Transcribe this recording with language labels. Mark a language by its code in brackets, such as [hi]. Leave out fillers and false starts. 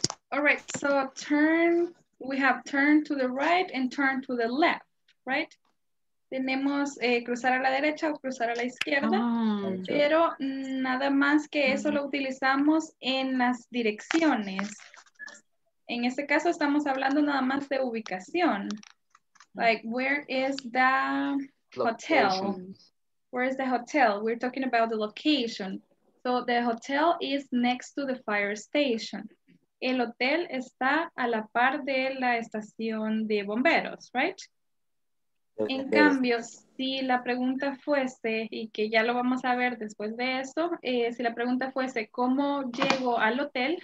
[en] All right, so turn, we have turn to the right and turn to the left, right? [es] Tenemos cruzar a la derecha o cruzar a la izquierda, pero nada más que eso lo utilizamos en las direcciones. En este caso estamos hablando nada más de ubicación. [en] Like, where is the hotel? Locations. Where is the hotel? We're talking about the location. So the hotel is next to the fire station. [es] El hotel está a la par de la estación de bomberos, right? En cambio, si la pregunta fuese, y que ya lo vamos a ver después de esto, si la pregunta fuese, ¿cómo llego al hotel?